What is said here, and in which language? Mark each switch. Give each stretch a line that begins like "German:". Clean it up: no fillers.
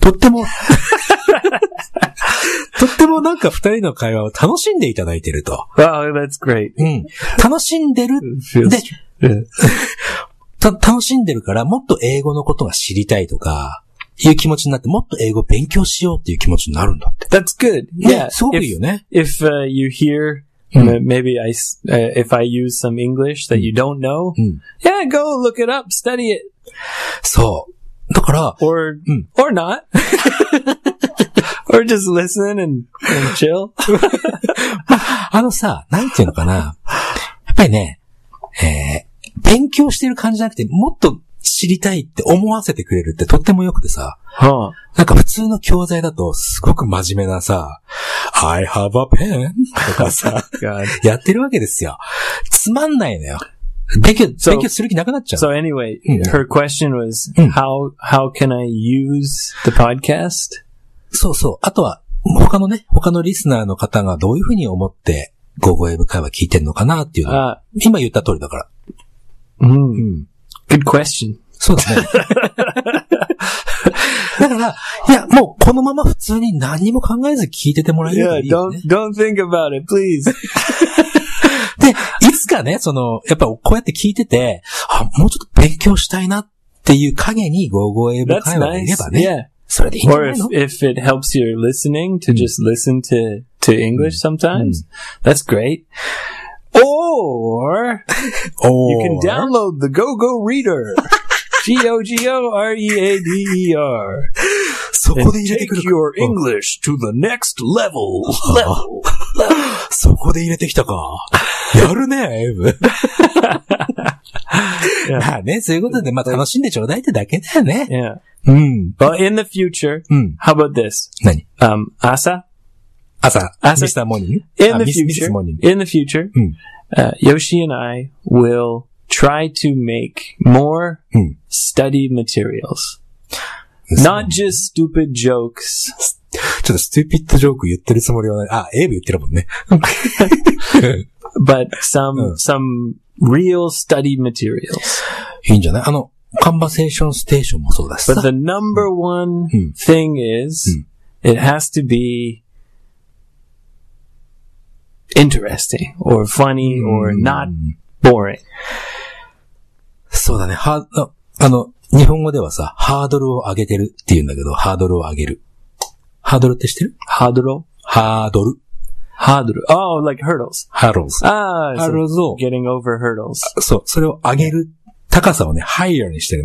Japanese: とっても、とってもなんか二人の会話を楽しんでいただいてると。
English: Wow, that's great.
Japanese: うん。楽しんでる。で、楽しんでるから、もっと英語のことが知りたいとか、いう気持ちになって、もっと英語勉強しようっていう気持ちになるんだって。
English: That's good. Yeah.
Japanese: すごくいいよね。
English: If you hear, maybe I, if I use some English that you don't know, yeah, go look it up, study it.
Japanese: そう。だから、
English: or,、うん、or not. or just listen and chill.
Japanese: 、ま、あのさ、なんていうのかな。やっぱりね、勉強してる感じじゃなくて、もっと知りたいって思わせてくれるってとっても良くてさ、はあ、なんか普通の教材だとすごく真面目なさ、
English: I have a pen
Japanese: とかさ、やってるわけですよ。つまんないのよ。勉強する気なくなっちゃう。
English: So anyway, her question was、うん、how can I use the podcast?
Japanese: そうそう。あとは他のね、他のリスナーの方がどういうふうに思って Go Go Web 会話聞いてるのかなっていうの、今言った通りだから。
English: うん。うん、Good question.
Japanese: そうだね。だから、いや、もうこのまま普通に何も考えず聞いててもらえればいいよね。
English: Yeah, don't think about it, please.
Japanese: で、いつかね、その、やっぱこうやって聞いてて、あ、もうちょっと勉強したいなっていう影に Go Go Web 会話がいればね。それでいいんじゃないの?
English: Or if it helps your listening to just listen to English sometimes, that's great. Or, or you can download the GoGo Reader. G-O-G-O-R-E-A-D-E-R.
Japanese: そこで入れてくる。
English: Take your English to the next level.
Japanese: そこで入れてきたか。やるね、エブ。まあね、そういうことで、まあ楽しんでちょうだいってだけだよね。
English: Yeah. But in the future, how about this?
Japanese: 何?
English: Asa. Mr. Morning. In the future. Yoshi and I will try to make more study materials. Not just stupid jokes.
Japanese: ちょっとストゥピッドジョーク言ってるつもりはない。あ、エイブ言ってるもんね。
English: But some real study materials.
Japanese: いいんじゃない?あの、カンバセーションステーションもそうだし。
English: But the number one thing is, it has to be,Interesting, or funny, or not boring.
Japanese: そうだね。あの、日本語ではさ、ハードルを上げてるって言うんだけど、ハードルを上げる。ハードルって知ってる? ハードルを? ハードル。
English: ハードル。Oh, like hurdles. Hurdles. Ah, so getting over hurdles.
Japanese: そう、それを上げる。高さをね、higher にしてる。